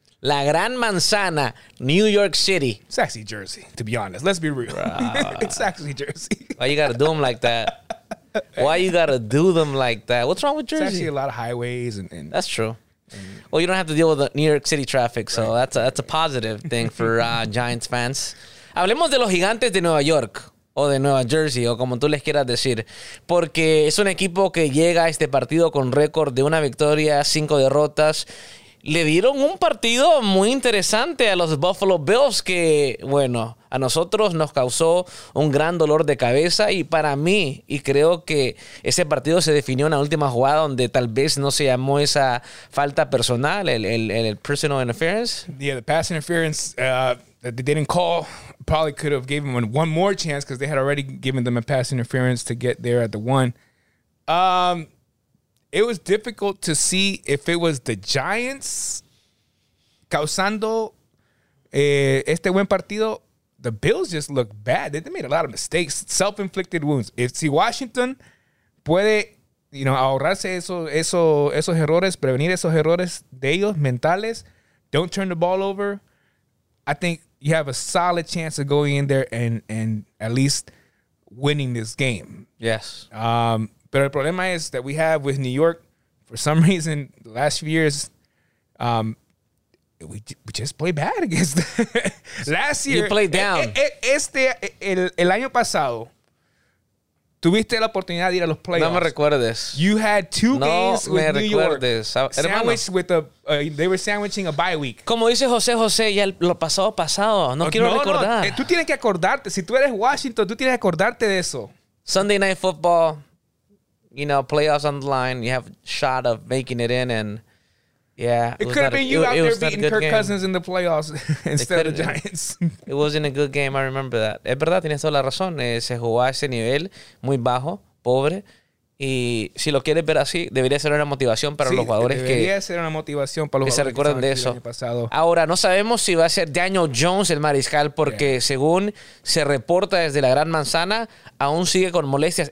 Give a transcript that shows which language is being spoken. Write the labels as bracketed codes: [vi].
[es] La Gran Manzana, New York City. [en] It's actually Jersey, to be honest. Let's be real. It's actually Jersey. Why you got to do them like that? What's wrong with Jersey? It's actually a lot of highways. And that's true. Well, you don't have to deal with the New York City traffic, so right. that's a positive thing for Giants fans. [es] Hablemos de los Gigantes de Nueva York, o de Nueva Jersey, o como tú les quieras decir, porque es un equipo que llega a este partido con récord de una victoria, 5 derrotas. Le dieron un partido muy interesante a los Buffalo Bills que, bueno, a nosotros nos causó un gran dolor de cabeza y para mí, y creo que ese partido se definió en la última jugada donde tal vez no se llamó esa falta personal, el personal interference. [en] Yeah, the pass interference that they didn't call probably could have given them one more chance because they had already given them a pass interference to get there at the one. It was difficult to see if it was the Giants [es] causando este buen partido. [en] The Bills just looked bad. They made a lot of mistakes, self-inflicted wounds. If [es] si Washington puede, [en] you know, [es] ahorrarse esos errores, prevenir esos errores de ellos mentales, [en] don't turn the ball over, I think you have a solid chance of going in there and at least winning this game. Yes. But the problem is that we have with New York, for some reason, the last few years, we just play bad against them. Last year. You played down. [es] El año pasado, tuviste la oportunidad de ir a los playoffs. No me recuerdes. [en] You had two games with New York. Sandwiched with a, they were sandwiching a bye week. [es] Como dice José José, ya lo pasado pasado. No quiero recordar. No. Tú tienes que acordarte. Si tú eres Washington, tú tienes que acordarte de eso. [en] Sunday Night Football, you know, playoffs on the line. You have a shot of making it in and... Yeah, it could have been you out there beating Kirk Cousins in the playoffs instead of the Giants. It wasn't a good game, I remember that. [es] Es verdad, tienes toda la razón. Se jugó a ese nivel muy bajo, pobre. Y si lo quieres ver así, debería ser una motivación para los jugadores que... debería ser una motivación para los jugadores que se recuerden de eso. Ahora, no sabemos si va a ser Daniel Jones el mariscal, porque según se reporta desde la Gran Manzana, aún sigue con molestias.